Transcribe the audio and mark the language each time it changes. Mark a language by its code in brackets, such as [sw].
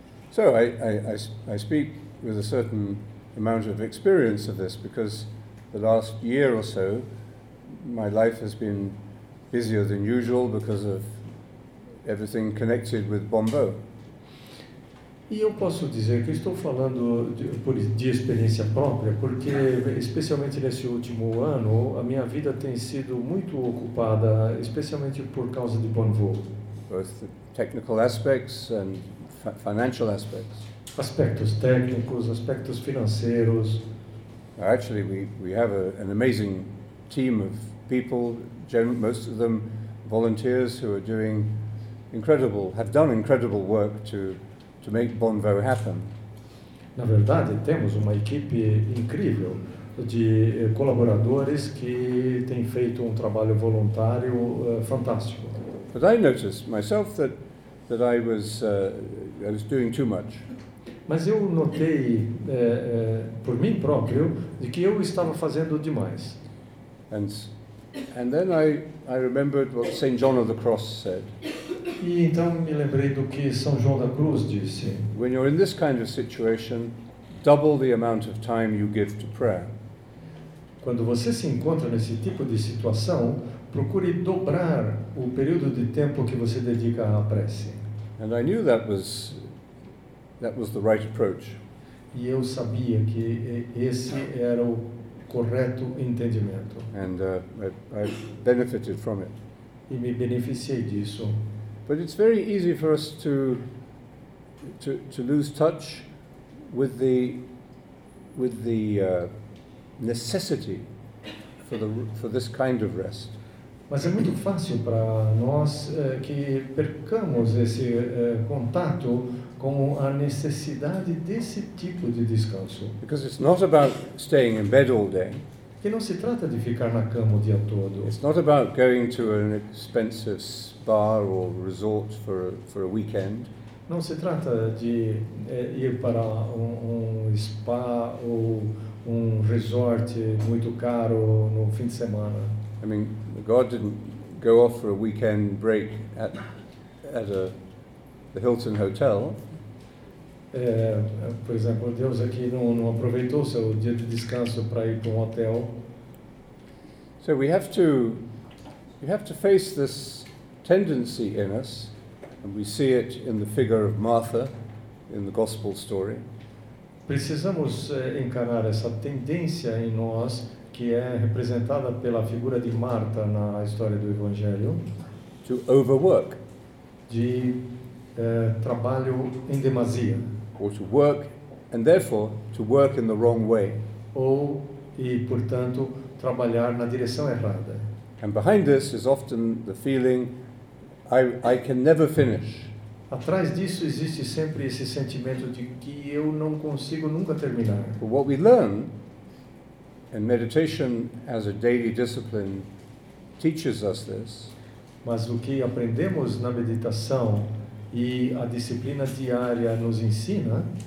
[en] So I speak with a certain amount of experience of this, because the last year or so, my life has been busier than usual because of everything connected with Bombo. [pt] E eu posso dizer que estou falando de experiência própria, porque especialmente nesse último ano, a minha vida tem sido muito ocupada, especialmente por causa de Bombo. [en] Both the technical aspects and financial aspects. [pt] Aspectos técnicos, aspectos financeiros. [en] Actually, we have an amazing team of people, most of them volunteers who are doing incredible, have done incredible work to make Bombo happen. [pt] Na verdade, temos uma equipe incrível de colaboradores que têm feito trabalho voluntário fantástico. [en] But I noticed myself that I was doing too much. [pt] Mas eu notei por mim próprio de que eu estava fazendo demais. [en] And then I remembered what Saint John of the Cross said. [pt] E então me lembrei do que São João da Cruz disse. [en] When you're in this kind of situation, double the amount of time you give to prayer. [pt] Quando você se encontra nesse tipo de situação, procure dobrar o período de tempo que você dedica à prece. [en] And I knew that was the right approach. [pt] E eu sabia que esse era o correto entendimento. [en] And I benefited from it. [pt] E me beneficiei disso. [en] But it's very easy for us to lose touch with the necessity for this kind of rest. [pt] Mas é muito fácil para nós que percamos esse contato com a necessidade desse tipo de descanso. [en] Because it's not about staying in bed all day. [pt] Que não se trata de ficar na cama o dia todo. [en] It's not about going to an expensive spa or resort for a weekend. [pt] Não se trata de ir para um spa ou um resort muito caro no fim de semana. [en] I mean, God didn't go off for a weekend break at the Hilton Hotel. [pt] Por exemplo, Deus aqui não aproveitou seu dia de descanso para ir para hotel. [en] So we have to face this tendency in us, and we see it in the figure of Martha in the gospel story. [pt] Precisamos encarar essa tendência em nós que é representada pela figura de Marta na história do Evangelho. [en] To overwork. [pt] De trabalho em demasia. [en] Or to work, and therefore to work in the wrong way. [pt] Ou, e portanto, trabalhar na direção errada. [en] And behind this is often the feeling, I can never finish. [pt] Atrás disso existe sempre esse sentimento de que eu não consigo nunca terminar. [en] But what we learn, and meditation as a daily discipline teaches us this. [pt] Mas o que aprendemos na meditação e a disciplina diária nos ensina